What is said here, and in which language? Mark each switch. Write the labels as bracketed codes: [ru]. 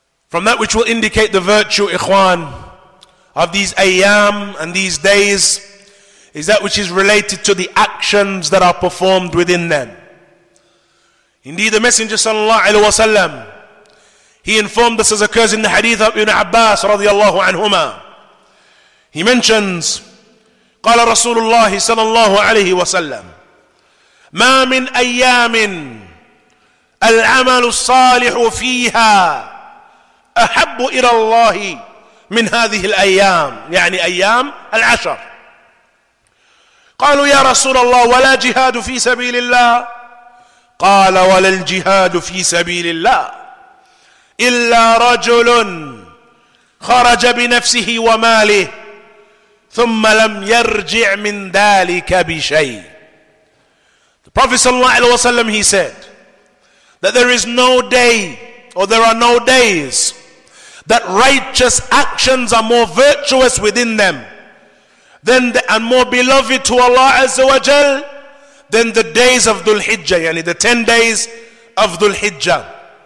[en] from that which will indicate the virtue, ikhwan, of these ayyam and these days, is that which is related to the actions that are performed within them. Indeed, the Messenger sallallahu alaihi wasallam, he informed us, as occurs in the hadith of Ibn Abbas radiallahu anhuma. He mentions, [ar] قال رسول الله صلى الله عليه وسلم ما من أيام العمل الصالح فيها أحب إلى الله من هذه الأيام, يعني أيام العشر. قالوا يا رسول الله ولا جهاد في سبيل الله؟ قال ولا الجهاد في سبيل الله إلا رجل خرج بنفسه وماله ثم لم يرجع من ذلك بشيء. [en] The Prophet sallallahu alaihi wasallam, he said that there is no day, or there are no days, that righteous actions are more virtuous within them than the, and more beloved to Allah azza wa jal, than the days of Dhul Hijjah, yani the 10 days of Dhul Hijjah.